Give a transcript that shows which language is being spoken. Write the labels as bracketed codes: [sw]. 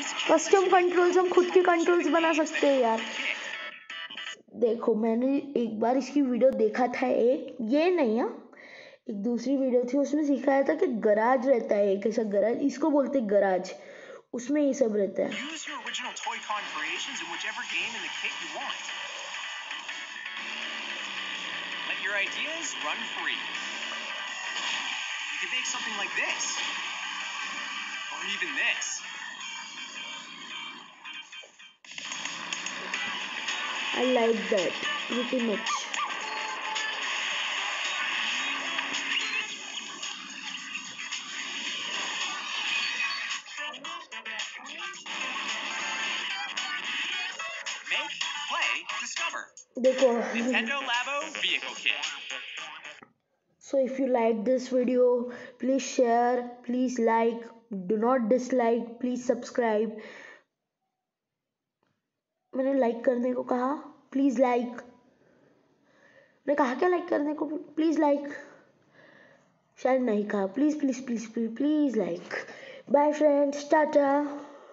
[hi] Custom controls, हम खुद के कंट्रोल्स बना सकते हैं यार. देखो मैंने एक बार इसकी वीडियो देखा था, एक ये नहीं है, एक दूसरी वीडियो थी, उसमें सिखाया था कि गराज रहता है, एक ऐसा गराज, इसको बोलते हैं गराज, उसमें ये सब रहता है. [en] You can make something like this, or even this. I like that pretty much. Make, play, discover. Deco. Nintendo Labo Vehicle Kit. So if you like this video, please share, please like, do not dislike, please subscribe. [hi] मैंने like करने को कहा, [en] please like. [hi] मैं कहा क्या like करने को? [en] Please like. [hi] शायद नहीं कहा. [en] Please, please, please, please, please like. Bye friends, tata.